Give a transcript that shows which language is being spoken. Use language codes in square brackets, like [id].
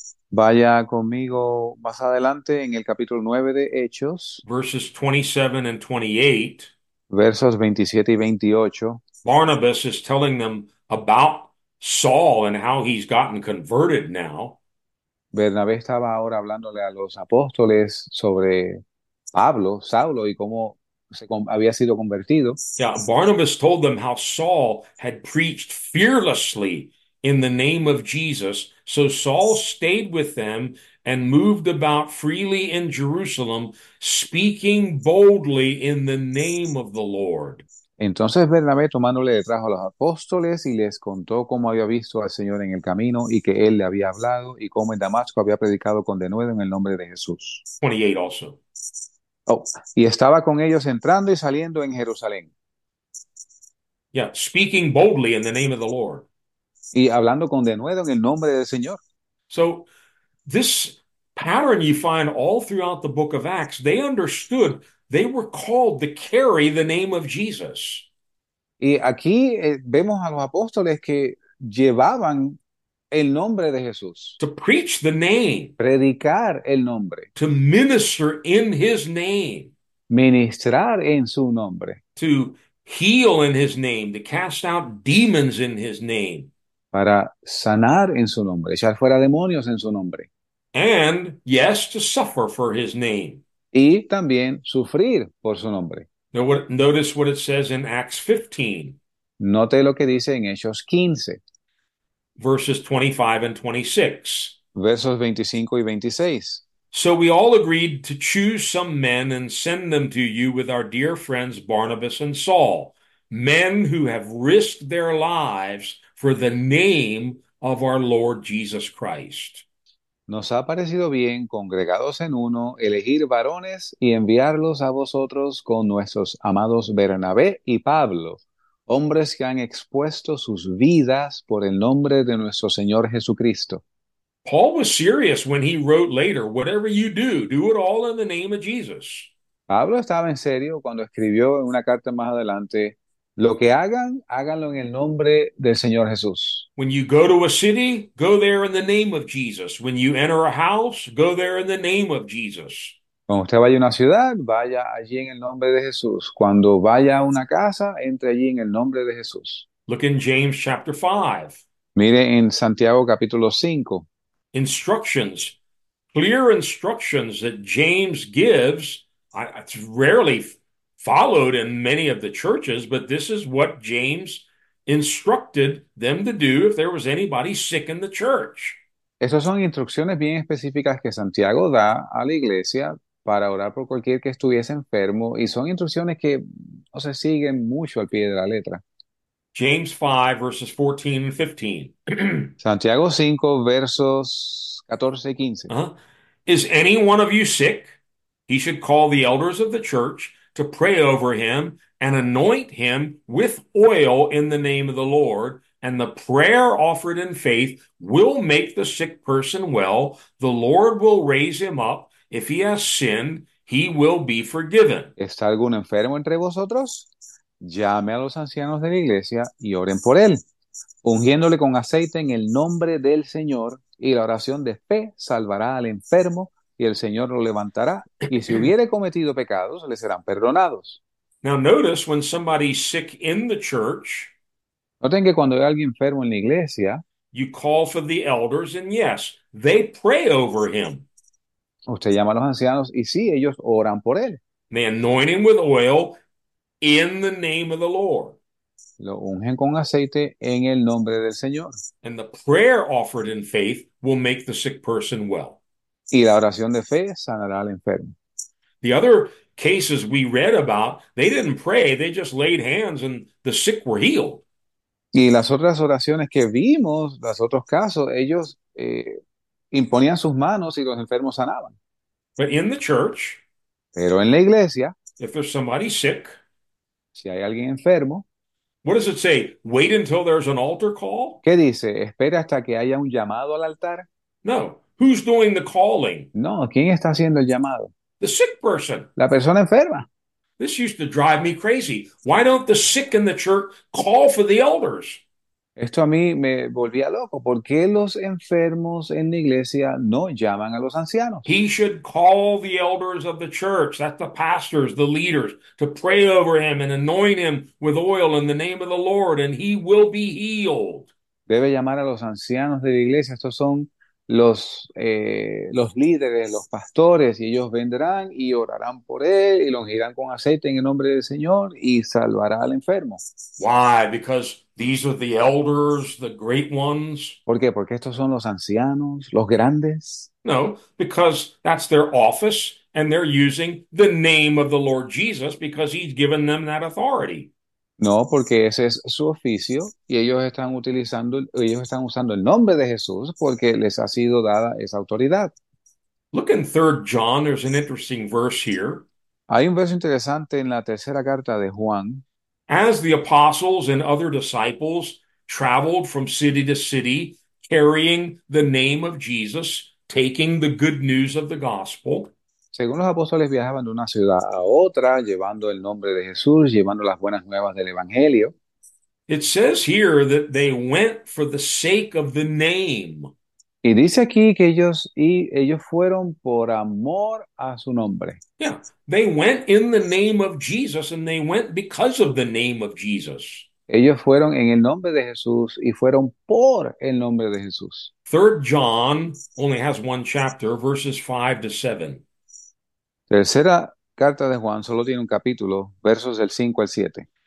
[es] Vaya conmigo más adelante en el capítulo 9 de Hechos, [en] verses 27 and 28. [es] versos 27 y 28. [en] Barnabas is telling them about Saul and how he's gotten converted now. [es] Bernabé estaba ahora hablándole a los apóstoles sobre Pablo, Saulo, y cómo se había sido convertido. [en] Yeah, Barnabas told them how Saul had preached fearlessly in the name of Jesus. So Saul stayed with them and moved about freely in Jerusalem, speaking boldly in the name of the Lord. [es] Entonces Bernabé tomándole le trajo a los apóstoles y les contó cómo había visto al Señor en el camino y que él le había hablado y cómo en Damasco había predicado con denuedo en el nombre de Jesús. [en] 28 also. [es] Oh, y estaba con ellos entrando y saliendo en Jerusalén. [en] Yeah, speaking boldly in the name of the Lord. [es] Y hablando con denuedo en el nombre del Señor. [en] So, this pattern you find all throughout the book of Acts, they understood they were called to carry the name of Jesus. [es] Y aquí vemos a los apóstoles que llevaban el nombre de Jesús, [en] To preach the name, [es] predicar el nombre, [en] to minister in his name, [es] ministrar en su nombre, [en] to heal in his name, to cast out demons in his name. [es] para sanar en su nombre, echar fuera demonios en su nombre, [en] And yes, to suffer for his name. [es] y también sufrir por su nombre. [en] Notice what it says in Acts 15, [es] Note lo que dice en Hechos 15, [en] verses 25 and 26. [es] versos 25 y 26. [en] So we all agreed to choose some men and send them to you with our dear friends Barnabas and Saul, men who have risked their lives for the name of our Lord Jesus Christ. [es] Nos ha parecido bien, congregados en uno, elegir varones y enviarlos a vosotros con nuestros amados Bernabé y Pablo. Hombres que han expuesto sus vidas por el nombre de nuestro Señor Jesucristo. [en] Paul was serious when he wrote later, whatever you do, do it all in the name of Jesus. [es] Pablo estaba en serio cuando escribió en una carta más adelante, lo que hagan, háganlo en el nombre del Señor Jesús. [en] When you go to a city, go there in the name of Jesus. When you enter a house, go there in the name of Jesus. [es] Cuando usted vaya a una ciudad, vaya allí en el nombre de Jesús. Cuando vaya a una casa, entre allí en el nombre de Jesús. [en] Look in James chapter 5. [es] Mire en Santiago capítulo 5. [en] Instructions, clear instructions that James gives. It's rarely followed in many of the churches, but this is what James instructed them to do if there was anybody sick in the church. [es] Esas son instrucciones bien específicas que Santiago da a la iglesia para orar por cualquier que estuviese enfermo, y son instrucciones que no se siguen mucho al pie de la letra. [en] James 5, verses 14 and 15. [es] Santiago 5, versos 14 y 15. [en] Is any one of you sick? He should call the elders of the church to pray over him and anoint him with oil in the name of the Lord. And the prayer offered in faith will make the sick person well. The Lord will raise him up. If he has sinned, he will be forgiven. [es] ¿Está algún enfermo entre vosotros? Llame a los ancianos de la iglesia y oren por él, ungiéndole con aceite en el nombre del Señor, y la oración de fe salvará al enfermo y el Señor lo levantará, y si hubiere cometido pecados, le serán perdonados. [en] Now notice when somebody's sick in the church, [es] Noten que cuando hay alguien enfermo en la iglesia, [en] you call for the elders, and yes, they pray over him. [es] usted llama a los ancianos y sí, ellos oran por él. [en] They anoint him with oil in the name of the Lord. [es] Lo ungen con aceite en el nombre del Señor. [en] And the prayer offered in faith will make the sick person well. [es] Y la oración de fe sanará al enfermo. [en] The other cases we read about, they didn't pray, they just laid hands and the sick were healed. [es] Y las otras oraciones que vimos, los otros casos, ellos imponían sus manos y los enfermos sanaban. [en] But in the church, [es] Pero en la iglesia, [en] if there's somebody sick, [es] si hay alguien enfermo, [en] what does it say? Wait until there's an altar call? [es] ¿qué dice? Espera hasta que haya un llamado al altar. [en] No, who's doing the calling? [es] No, ¿quién está haciendo el llamado? [en] The sick person. [es] La persona enferma. [en] This used to drive me crazy. Why don't the sick in the church call for the elders? [es] Esto a mí me volvía loco. ¿Por qué los enfermos en la iglesia no llaman a los ancianos? [en] He should call the elders of the church, that's the pastors, the leaders, to pray over him and anoint him with oil in the name of the Lord, and he will be healed. [es] Debe llamar a los ancianos de la iglesia. Estos son los líderes, los pastores, y ellos vendrán y orarán por él y lo ungirán con aceite en el nombre del Señor y salvará al enfermo. [en] Why? Because these are the elders, the great ones. [es] ¿Por qué? Porque estos son los ancianos, los grandes. [en] No, because that's their office and they're using the name of the Lord Jesus because he's given them that authority. [es] No, porque ese es su oficio y ellos están usando el nombre de Jesús porque les ha sido dada esa autoridad. [en] Look in 3 John, there's an interesting verse here. [es] Hay un verso interesante en la tercera carta de Juan. [en] As the apostles and other disciples traveled from city to city, carrying the name of Jesus, taking the good news of the gospel. [es] Según los apóstoles viajaban de una ciudad a otra, llevando el nombre de Jesús, llevando las buenas nuevas del Evangelio. [en] It says here that they went for the sake of the name. [es] Y dice aquí que ellos fueron por amor a su nombre. [en] Yeah, they went in the name of Jesus and they went because of the name of Jesus. [es] Ellos fueron en el nombre de Jesús y fueron por el nombre de Jesús. [en] 3 John only has one chapter, verses 5 to 7. [es] Tercera carta de Juan solo tiene un capítulo, versos del 5 al 7.